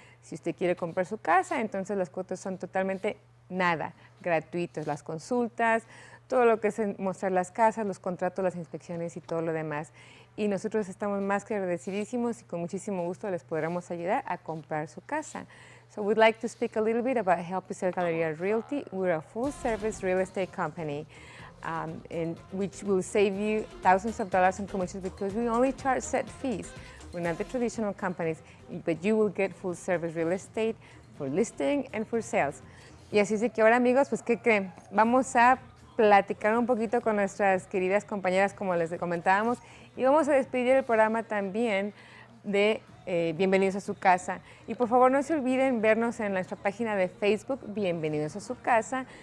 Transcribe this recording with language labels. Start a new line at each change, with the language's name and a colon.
Spanish: Si usted quiere comprar su casa, entonces las cuotas son totalmente nada, gratuitas, las consultas, todo lo que es mostrar las casas, los contratos, las inspecciones y todo lo demás. Y nosotros estamos más que agradecidísimos y con muchísimo gusto les podremos ayudar a comprar su casa.
English: So we'd like to speak a little bit about Help You Sell Galleria Realty. We're a full-service real estate company, and which will save you thousands of dollars in commissions because we only charge set fees. We're not the traditional companies, but you will get full-service real estate for listing and for sales.
Spanish: Y así es de que ahora, amigos, pues, ¿qué creen? Vamos a platicar un poquito con nuestras queridas compañeras, como les comentábamos, y vamos a despedir el programa también de Bienvenidos a su Casa. Y por favor, no se olviden vernos en nuestra página de Facebook, Bienvenidos a su Casa.